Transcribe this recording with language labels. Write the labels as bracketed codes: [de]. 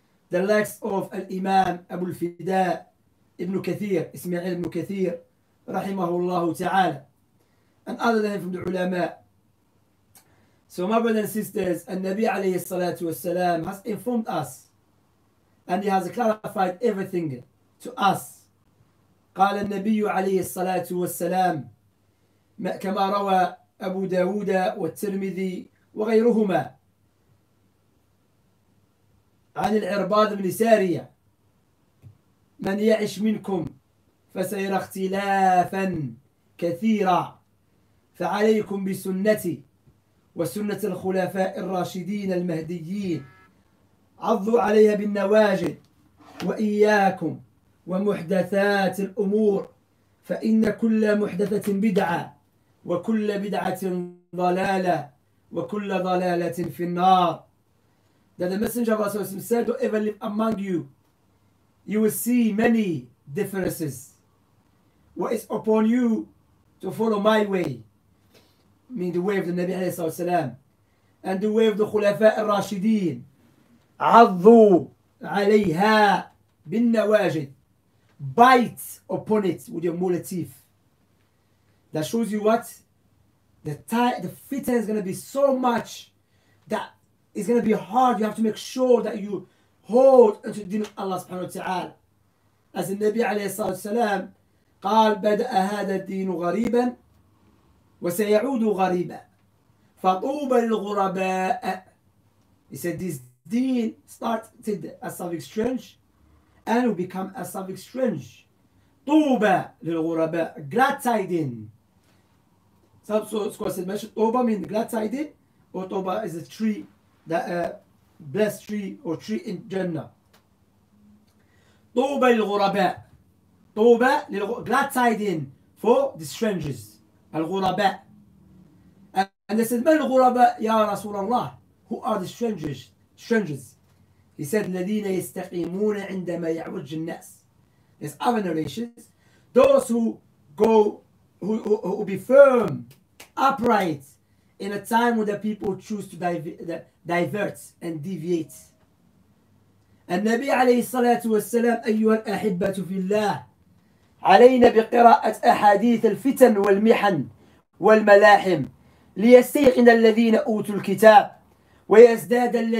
[en] The likes of al-Imam Abu al-Fida ibn Kathir, Ismail ibn Kathir, [ar] رحمه الله تعالى. [en] And other than from the علماء. So my brothers and sisters, [ar] النبي عليه الصلاة والسلام [en] has informed us and he has clarified everything to us. [ar] قال النبي عليه الصلاة والسلام كما روى أبو داود والترمذي وغيرهما عن العرباض بن سارية من يعش منكم فسيرى اختلافا كثيرا فعليكم بسنتي وسنة الخلفاء الراشدين المهديين عضوا عليها بالنواجذ وإياكم ومحدثات الأمور فإن كل محدثة بدعة وكل بدعة ضلالة وكل ضلالة في النار. [en] That the Messenger of Allah Sallallahu Alaihi Wasallam said, "Whoever live among you, you will see many differences. What is upon you to follow my way," mean the way of the Nabi alayhi salatu wasalam, "and the way of the Khulafa al-Rashideen, [ar] عضوا عليها بالنواجد, [en] bite upon it with your mullet teeth." That shows you what? The fitna is going to be so much that it's going to be hard. You have to make sure that you hold unto the deen of Allah subhanahu wa ta'ala. As the Nabi alayhi salatu wasalam, [ar] قال بدأ هذا الدين غريبا وسيعود غريبا فطوبى للغرباء. [en] He said this deen started as something strange and will become as something strange. [ar] طوبى للغرباء, [en] glad tidings. So it's called mentioned طوبى means glad tidings, or طوبى is a tree, that a blessed tree or tree in Jannah. [ar] طوبى للغرباء, [en] طوبى glad tidings for the strangers, الغرباء. And they said, [ar] من الغرباء يا رسول الله؟ [en] Who are the strangers? He said, [ar] الَّذِينَ يَسْتَقِيمُونَ عِنْدَمَا يَعْوَجِ النَّاسِ. [en] There's other narrations. Those who go, who be firm, upright, in a time when the people choose to divert and deviate. [ar] النبي عليه الصلاة والسلام أيها الأحبة في الله علينا بقراءة أحاديث الفتن والمحن والملاحم ليستيقن الذين أوتوا الكتاب ويزداد